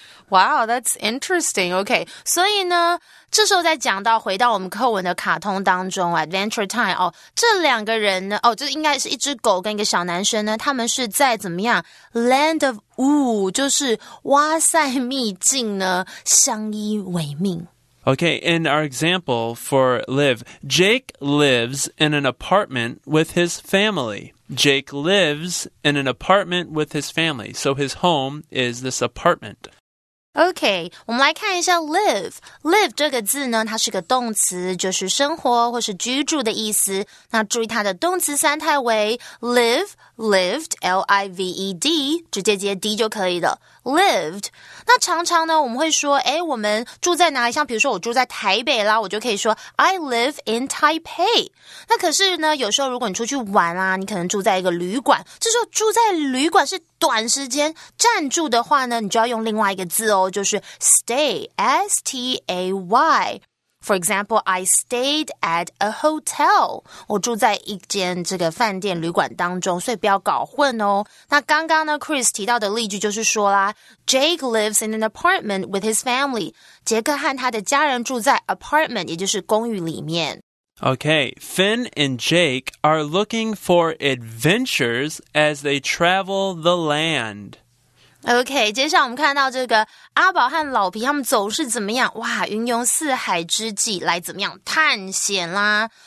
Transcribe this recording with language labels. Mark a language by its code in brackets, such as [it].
[en] Wow, that's interesting. [zh] Okay, 所以呢，这时候再讲到回到我们课文的卡通当中 ，Adventure Time 哦，这两个人呢，哦，这应该是一只狗跟一个小男生呢，他们是在怎么样 ？Land of Woo， 就是哇塞秘境呢，相依为命。 [en] Okay, in our example for live, Jake lives in an apartment with his family. Jake lives in an apartment with his family. So his home is this apartment. Okay, 我们来看一下 live. [zh] Live 这个字呢，它是个动词，就是生活或是居住的意思。那注意它的动词三态为 live, lived, L-I-V-E-D, 直接接 D 就可以了。Lived. 那常常呢我们会说诶我们住在哪里像比如说我住在台北啦我就可以说 [en] I live in Taipei. [zh] 那可是呢有时候如果你出去玩啦、啊、你可能住在一个旅馆这时候住在旅馆是短时间暂住的话呢你就要用另外一个字哦就是 stay, S-T-A-Y. [en] For example, I stayed at a hotel. [zh] 我住在一间这个饭店旅馆当中，所以不要搞混哦。那刚刚呢 ，Chris 提到的例句就是说啦 ， [en] Jake lives in an apartment with his family. [zh] 杰克和他的家人住在 apartment， 也就是公寓里面。 [en] Okay, Finn and Jake are looking for adventures as they travel the land. [zh] OK, 接下来我们看到这个阿宝和老皮他们总是怎么样哇云游四海之际来怎么样探险啦。